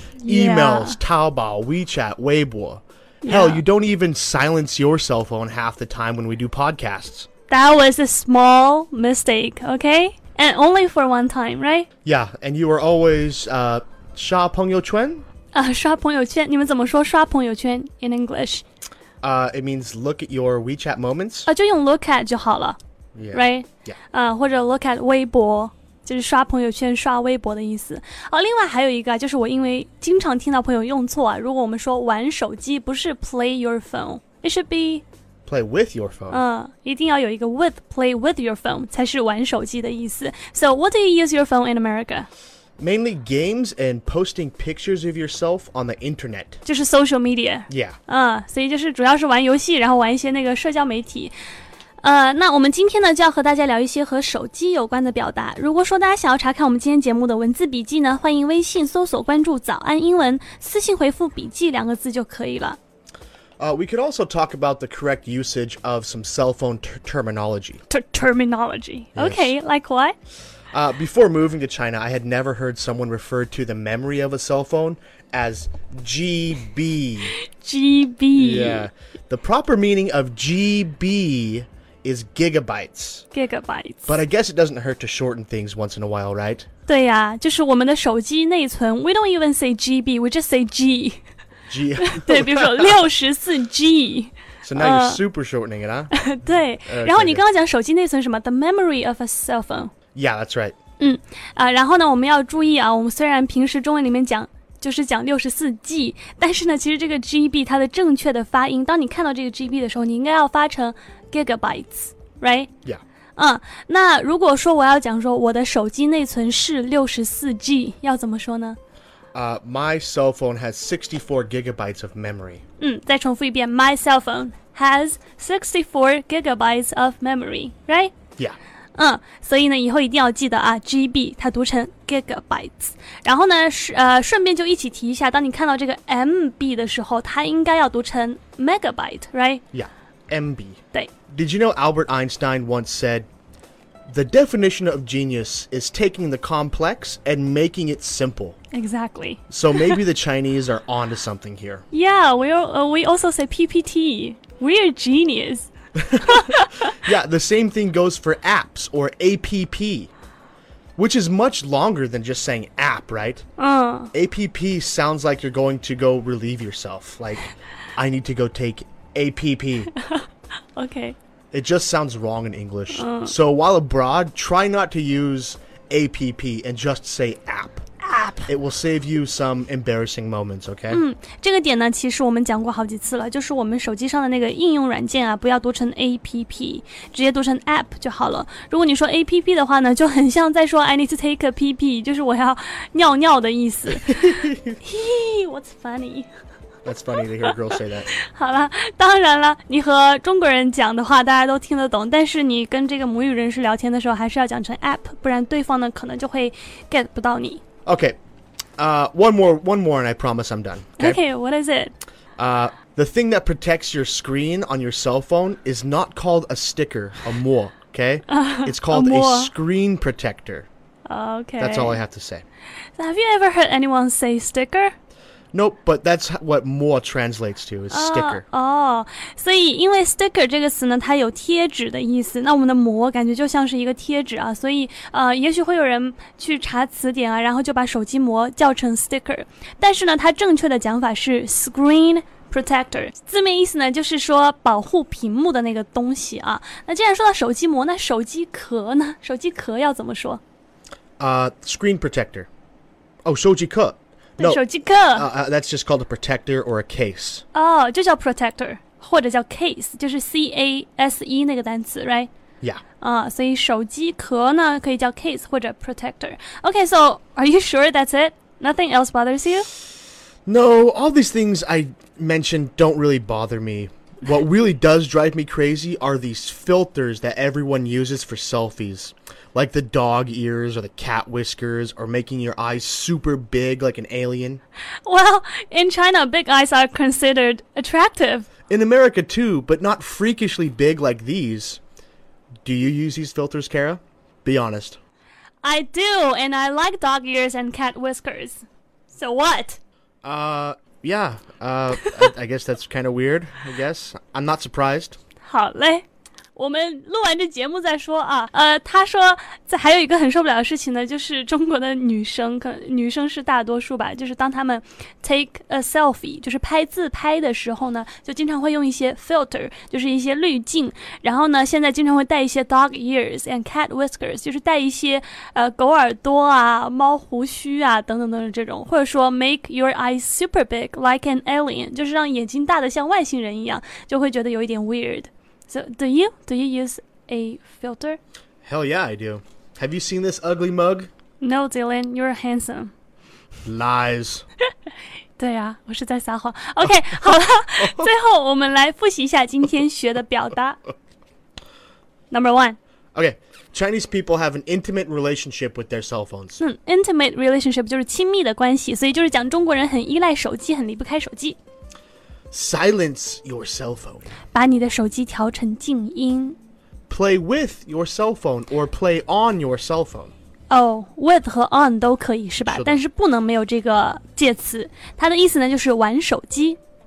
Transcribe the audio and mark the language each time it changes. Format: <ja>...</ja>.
<en>Yeah. Emails, Taobao, WeChat, Weibo. Yeah. Hell, you don't even silence your cell phone half the time when we do podcasts. That was a small mistake, okay? And only for one time, right? Yeah, and you were always,</en> <zh>刷朋友圈? 刷朋友圈,你们怎么说刷朋友圈</zh> <en>in English? It means look at your WeChat moments.</en> <zh>就用</zh> <en>look at</en> <zh>就好了,</zh> <en>yeah. right? Yeah.</en> <zh>或者</zh> <en>look at</en> <zh>微博,就是刷朋友圈,刷微博的意思。另外还有一个,就是我因为经常听到朋友用错,如果我们说玩手机,不是</zh> <en>play your phone, it should be... Play with your phone.</en> <zh>一定要有一个 with,</zh> <en>play with your phone,</en> <zh>才是玩手机的意思。</zh> <en>So what do you use your phone in America? Mainly games and posting pictures of yourself on the internet.</en> <zh>就是</zh> <en>social media. Yeah.</en> <zh>所以就是主要是玩游戏然后玩一些那个社交媒体。那我们今天呢就要和大家聊一些和手机有关的表达。如果说大家想要查看我们今天节目的文字笔记呢欢迎微信搜索关注早安英文私信回复笔记两个字就可以了。</zh> <en>We could also talk about the correct usage of some cell phone terminology. Terminology. Yes. Okay, like what? Before moving to China, I had never heard someone refer to the memory of a cell phone as GB. GB. Yeah. The proper meaning of GB is gigabytes. Gigabytes. But I guess it doesn't hurt to shorten things once in a while, right?</en> <zh>对呀、啊、就是我们的手机内存</zh> <en>We don't even say GB, we just say G. G.</en> <zh>对比如说 64G</zh> <en>So now you're super shortening it, huh?</en> <zh>对、然后你刚刚讲手机内存什么</zh> <en>The memory of a cell phone Yeah, that's right</en> <zh>然后呢我们要注意啊我们虽然平时中文里面讲就是讲 64G 但是呢其实这个 GB 它的正确的发音当你看到这个 GB 的时候你应该要发成</zh> <en>gigabytes, right? Yeah</en> <zh>那如果说我要讲说我的手机内存是 64G 要怎么说呢</zh> <en>My cell phone has 64 gigabytes of memory.</en> <zh>再重复一遍</zh> <en>My cell phone has 64 gigabytes of memory, right? Yeah.</en> <zh>所以呢以后一定要记得啊 GB 它读成 gigabytes. 然后呢顺便就一起提一下当你看到这个 MB 的时候它应该要读成</zh> <en>megabyte, right? Yeah, MB.</en> <zh>对。</zh> <en>Did you know Albert Einstein once said, The definition of genius is taking the complex and making it simple. Exactly. So maybe the Chinese are on to something here. Yeah, we also say PPT. We are genius. Yeah, the same thing goes for apps or APP, which is much longer than just saying app, right? APP sounds like you're going to go relieve yourself. Like, I need to go take APP. Okay. It just sounds wrong in English. So while abroad, try not to use APP and just say app. It will save you some embarrassing moments, okay?</en> <zh>这个点呢其实我们讲过好几次了就是我们手机上的那个应用软件啊不要读成 APP, 直接读成 APP 就好了。如果你说 APP 的话呢就很像在说</zh> <en>I need to take a PP,</en> <zh>就是我要尿尿的意思。</zh> <en>What's funny? That's funny to hear a girl say that.</en> <zh>好了当然了你和中国人讲的话大家都听得懂但是你跟这个母语人士聊天的时候还是要讲成 APP, 不然对方呢可能就会 get 不到你。</zh> <en>Okay, one more and I promise I'm done. Okay, okay what is it? The thing that protects your screen on your cell phone is not called a sticker, a mo, okay? It's called a screen protector. Okay. That's all I have to say. Have you ever heard anyone say sticker? Nope, but that's what more translates to, is sticker.</en> <zh>所以因为 sticker 这个词呢，它有贴纸的意思，那我们的膜感觉就像是一个贴纸啊，所以也许会有人去查词典啊，然后就把手机膜叫成 sticker。但是呢，它正确的讲法是 screen protector， 字面意思呢，就是说保护屏幕的那个东西啊。那既然说到手机膜，那手机壳呢？手机壳要怎么说？</zh> <en>Screen protector. Oh,</en> <zh>手机壳。</zh> <en>No,</en> <zh>手机壳。</zh> <en>That's just called a protector or a case.</en> <zh>就叫 protector, 或者叫 case, 就是 C-A-S-E 那个单词 right?</zh> <en>Yeah.</en> <zh>所以手机壳呢可以叫 case 或者 protector.</zh> <en>Okay, so are you sure that's it? Nothing else bothers you? No, all these things I mentioned don't really bother me. What really does drive me crazy are these filters that everyone uses for selfies. Like the dog ears or the cat whiskers or making your eyes super big like an alien. Well, in China, big eyes are considered attractive. In America too, but not freakishly big like these. Do you use these filters, Kara? Be honest. I do, and I like dog ears and cat whiskers. So what? I guess that's kind of weird, I guess. I'm not surprised.</en> <zh>好嘞。我们录完这节目再说啊。他说这还有一个很受不了的事情呢，就是中国的女生，可能女生是大多数吧，就是当他们</zh> <en>take a selfie,</en> <zh>就是拍自拍的时候呢，就经常会用一些 filter, 就是一些滤镜，然后呢现在经常会带一些</zh> <en>dog ears and cat whiskers,</en> <zh>就是带一些狗耳朵啊，猫胡须啊等等等等这种，或者说</zh> <en>make your eyes super big like an alien,</en> <zh>就是让眼睛大得像外星人一样，就会觉得有一点 weird。</zh> <en>So, do you use a filter? Hell yeah, I do. Have you seen this ugly mug? No, Dylan, you're handsome. Lies.</en> <zh>对啊，我是在撒谎。 OK, 好了，最后我们来复习一下今天学的表达。</zh> <en>Number one. OK, Chinese people have an intimate relationship with their cell phones. Intimate relationship</en> <zh>就是亲密的关系，所以就是讲中国人很依赖手机，很离不开手机。</zh> <en>Silence your cell phone.</en> <zh>把你的手机调成静音。</zh> <en>Play with your cell phone or play on your cell phone.</en> <zh>Oh, with 和 on 都可以是吧？但是不能没有这个介词。它的意思呢就是玩手机。</zh>